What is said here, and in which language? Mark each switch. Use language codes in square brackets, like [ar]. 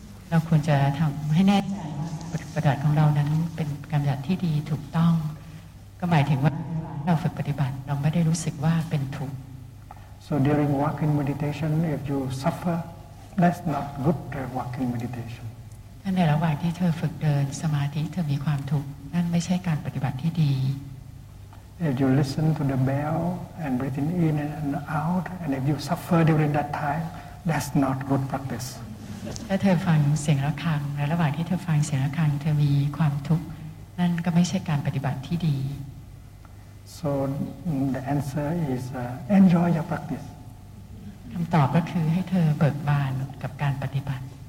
[th] เราควรจะทำให้แน่ใจว่าปฏิบัติของเรานั้นเป็นการปฏิบัติที่ดีถูกต้องก็หมายถึงว่าเราฝึกปฏิบัติเราไม่ได้รู้สึกว่าเป็นทุกข์ [en] So during walking meditation if you suffer that's not good walking meditation [th] ถ้าในระหว่างที่เธอฝึกเดินสมาธิเธอมีความทุกข์นั่นไม่ใช่การปฏิบัติที่ดี [en] If you listen to the bell and breathing in and out and if you suffer during that time that's not good practice [th] ถ้าเธอฟังเสียงระฆังในระหว่างที่เธอฟังเสียงระฆังเธอมีความทุกข์นั่นก็ไม่ใช่การปฏิบัติที่ดี [en] So the answer is enjoy your practice [th] คำตอบก็คือให้เธอเบิกบานกับการปฏิบัติ